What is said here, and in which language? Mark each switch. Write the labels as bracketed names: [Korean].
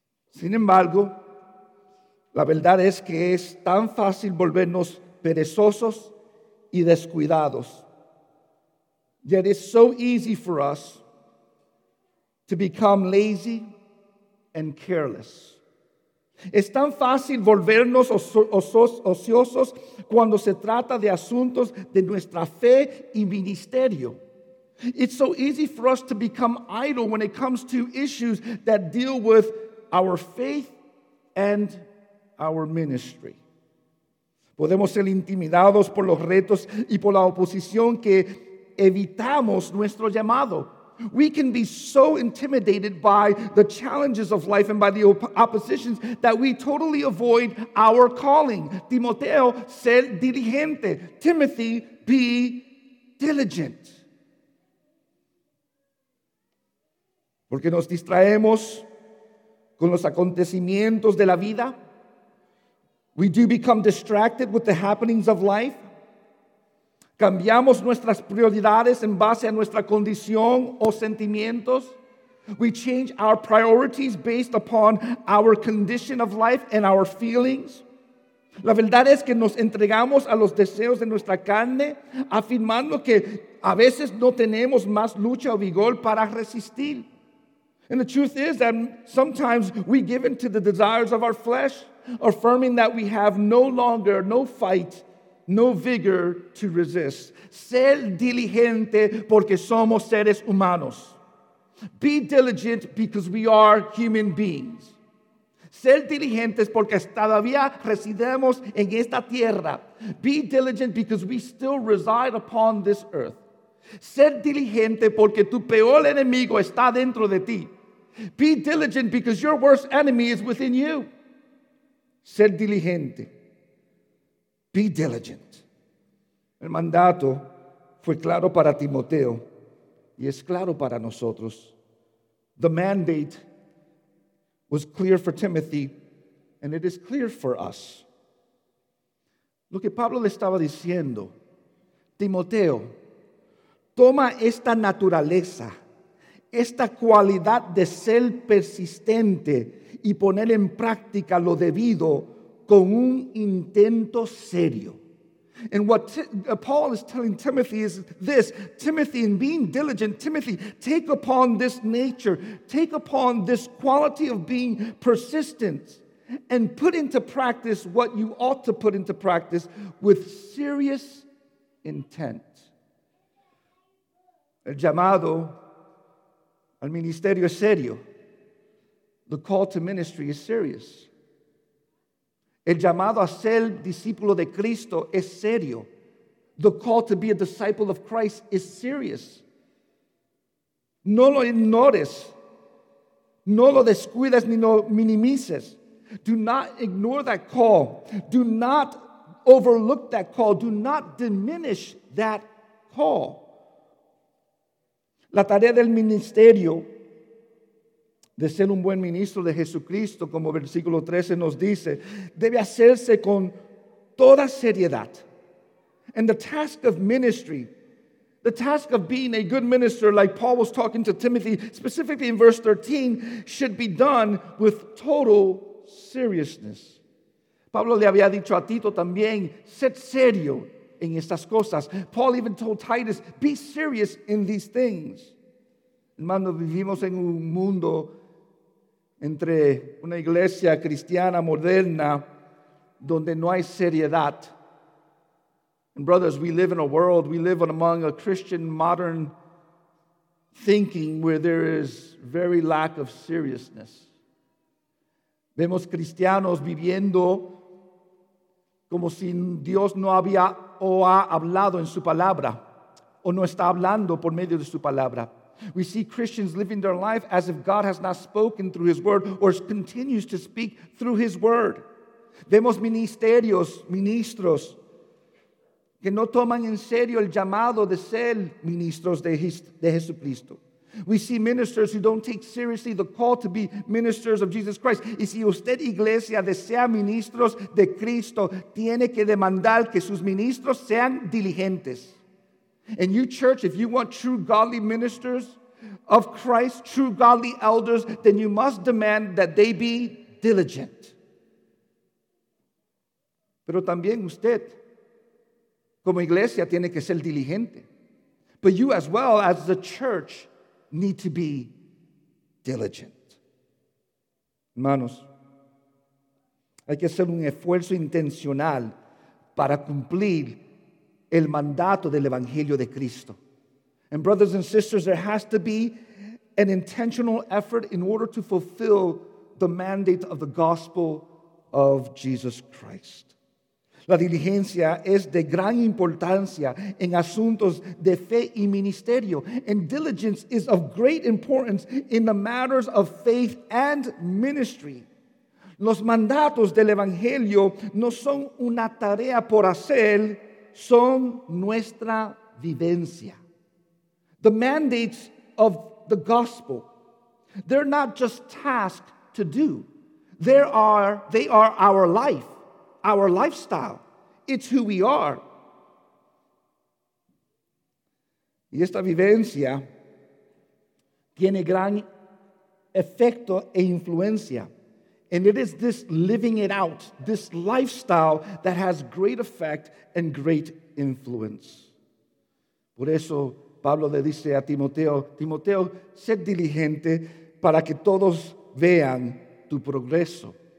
[Spanish] Sin embargo, la verdad es que es tan fácil volvernos perezosos y descuidados. [English] Yet it's so easy for us to become lazy and careless. [Spanish] Es tan fácil volvernos ociosos cuando se trata de asuntos de nuestra fe y ministerio. [English] It's so easy for us to become idle when it comes to issues that deal with our faith and our ministry. [Spanish] Podemos ser intimidados por los retos y por la oposición que evitamos nuestro llamado. [English] We can be so intimidated by the challenges of life and by the oppositions that we totally avoid our calling. [Spanish] Timoteo, ser diligente. [English] Timothy, be diligent. [Spanish] Porque nos distraemos con los acontecimientos de la vida. [English] We do become distracted with the happenings of life. [Spanish] Cambiamos nuestras prioridades en base a nuestra condición o sentimientos. [English] We change our priorities based upon our condition of life and our feelings. [Spanish] La verdad es que nos entregamos a los deseos de nuestra carne, afirmando que a veces no tenemos más lucha o vigor para resistir. [English] And the truth is that sometimes we give in to the desires of our flesh, affirming that we have no longer, no fight, no vigor to resist. [Spanish] Ser diligente porque somos seres humanos. [English] Be diligent because we are human beings. [Spanish] Ser diligentes porque todavía residimos en esta tierra. [English] Be diligent because we still reside upon this earth. [Spanish] Ser diligente porque tu peor enemigo está dentro de ti. [English] Be diligent because your worst enemy is within you. [Spanish] Ser diligente. [English] Be diligent. [Spanish] El mandato fue claro para Timoteo y es claro para nosotros. [English] The mandate was clear for Timothy, and it is clear for us. [Spanish] Lo que Pablo le estaba diciendo, Timoteo, toma esta naturaleza, esta cualidad de ser persistente y poner en práctica lo debido con un intento serio. [English] And what Paul is telling Timothy is this, Timothy, in being diligent, Timothy, take upon this nature, take upon this quality of being persistent and put into practice what you ought to put into practice with serious intent. [Spanish] El llamado al ministerio es serio. [English] The call to ministry is serious. [Spanish] El llamado a ser discípulo de Cristo es serio. [English] The call to be a disciple of Christ is serious. [Spanish] No lo ignores. No lo descuides ni lo minimices. [English] Do not ignore that call. Do not overlook that call. Do not diminish that call. [Spanish] La tarea del ministerio de ser un buen ministro de Jesucristo, como versículo 13 nos dice, debe hacerse con toda seriedad. [English] And the task of ministry, the task of being a good minister, like Paul was talking to Timothy, specifically in verse 13, should be done with total seriousness. [Spanish] Pablo le había dicho a Tito también, sed serio en estas cosas. [English] Paul even told Titus, be serious in these things. [Spanish] Hermano, vivimos en un mundo entre una iglesia cristiana moderna donde no hay seriedad. [English] And brothers, we live in a world, we live among a Christian modern thinking where there is very lack of seriousness. [Spanish] Vemos cristianos viviendo como si Dios no había o ha hablado en su palabra o no está hablando por medio de su palabra. [English] We see Christians living their life as if God has not spoken through His Word or continues to speak through His Word. [Spanish] Vemos ministerios, ministros, que no toman en serio el llamado de ser ministros de Jesucristo. [English] We see ministers who don't take seriously the call to be ministers of Jesus Christ. [Spanish] Y si usted, iglesia, desea ministros de Cristo, tiene que demandar que sus ministros sean diligentes. [English] And you, church, if you want true godly ministers of Christ, true godly elders, then you must demand that they be diligent. [Spanish] Pero también usted, como iglesia, tiene que ser diligente. [English] But you as well as the church need to be diligent. [Spanish] Hermanos, hay que hacer un esfuerzo intencional para cumplir el mandato del Evangelio de Cristo. [English] And brothers and sisters, there has to be an intentional effort in order to fulfill the mandate of the gospel of Jesus Christ. [Spanish] La diligencia es de gran importancia en asuntos de fe y ministerio. [English] And diligence is of great importance in the matters of faith and ministry. [Spanish] Los mandatos del Evangelio no son una tarea por hacer, son nuestra vivencia. [English] The mandates of the gospel, They're not just tasks to do. They are our life, our lifestyle. It's who we are. [Spanish] Y esta vivencia tiene gran efecto e influencia. [English] And it is this living it out, this lifestyle that has great effect and great influence. [Spanish] Por eso Pablo le dice a Timoteo, Timoteo, sed diligente para que todos vean tu progreso.